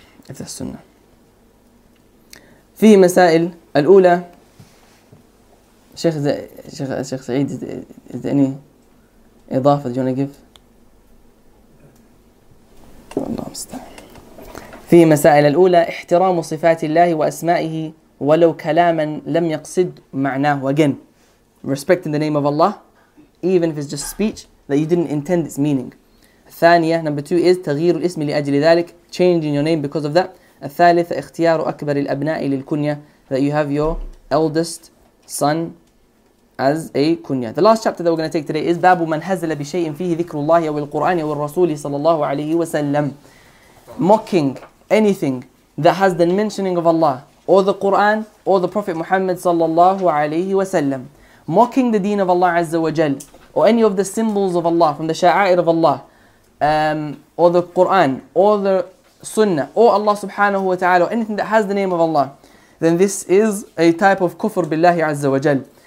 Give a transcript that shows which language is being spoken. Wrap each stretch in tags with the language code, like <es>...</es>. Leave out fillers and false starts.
<ar>إذا السنة في مسائل الأولى شيخ سعيد إذا أني إضافة جونيف الله مستعان. في مسائل الأولى احترام صفات الله وأسمائه ولو كلاما لم يقصد معناه.</ar> <en>Again, respecting the name of Allah even if it's just speech that you didn't intend its meaning.</en> <ar>الثانية,</ar> <en>number two is</en> <ar>تغيير الاسم لأجل ذلك,</ar> <en>changing your name because of that.</en> <ar>الثالث اختيار أكبر الأبناء للكنية,</ar> <en>that you have your eldest son as a kunya. The last chapter that we're going to take today is</en> <ar>باب من هزل بشيء فيه ذكر الله أو القرآن أو الرسول صلى الله عليه وسلم.</ar> <en>Mocking anything that has the mentioning of Allah or the Quran or the Prophet Muhammad صلى الله عليه وسلم. Mocking the deen of Allah عز وجل or any of the symbols of Allah from the شعائر of Allah. Or the Quran, or the Sunnah, or Allah subhanahu wa ta'ala, or anything that has the name of Allah, then this is a type of kufr billahi azza wa jal.</en>